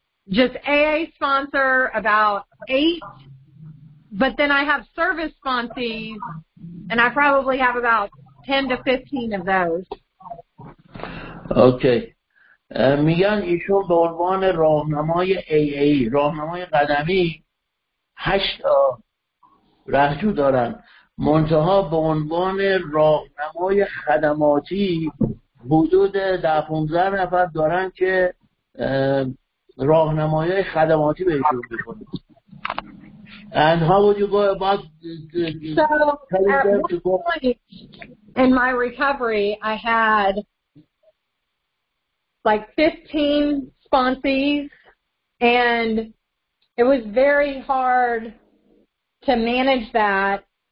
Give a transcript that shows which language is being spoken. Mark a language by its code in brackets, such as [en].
[en] just AA sponsor about 8, but then I have service sponsees, and I probably have about 10 to 15 of those. Okay. [fa] میگن ایشون به عنوان راهنمای AA، راهنمای قدمی، 8 رهجو دارن. منتها به عنوان راهنمای خدماتی حدود 10-15 نفر دارن که راهنمایی خدماتی بهشون بکنید. [en] And how would you go about telling them to go? In my recovery, I had like 15 sponsees, and it was very hard to manage that.